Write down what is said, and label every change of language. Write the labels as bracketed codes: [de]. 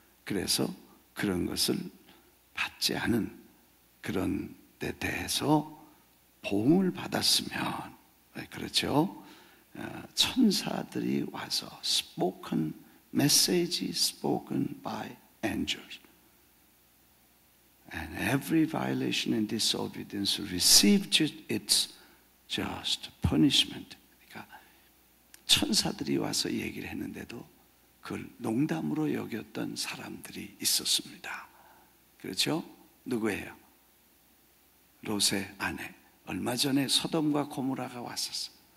[ko] 그래서 그런 것을 받지 않은 그런 데 대해서 보응을 받았으면 그렇죠? 천사들이 와서 [en] spoken message spoken by angels and every violation and disobedience received its just punishment. [ko] 그러니까 천사들이 와서 얘기를 했는데도 그걸 농담으로 여겼던 사람들이 있었습니다. 그렇죠? 누구예요? 롯의 아내. 얼마 전에 소돔과 고모라가 왔었어요.